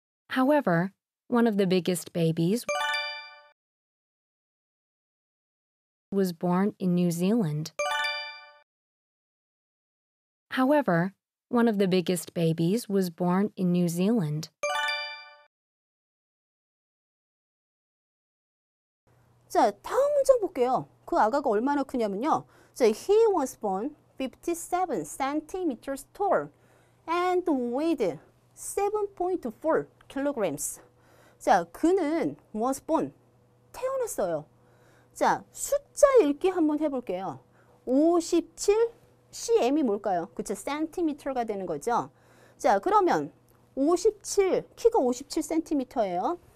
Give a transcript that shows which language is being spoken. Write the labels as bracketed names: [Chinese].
[English] However, one of the biggest babies was born in New Zealand. However, one of the biggest babies was born in New Zealand. [Korean] 자, 다음 문장 볼게요. 그 아가가 얼마나 크냐면요. [English] 자, he was born 57 centimeters tall and weighed 7.4 kilograms. [Korean] 자, 그는 [English] was born, [Korean] 태어났어요. 자, 숫자 읽기 한번 해볼게요. 57 cm이 뭘까요? 그쵸, centimeter가 되는 거죠. 자, 그러면 57, 키가 57cm예요.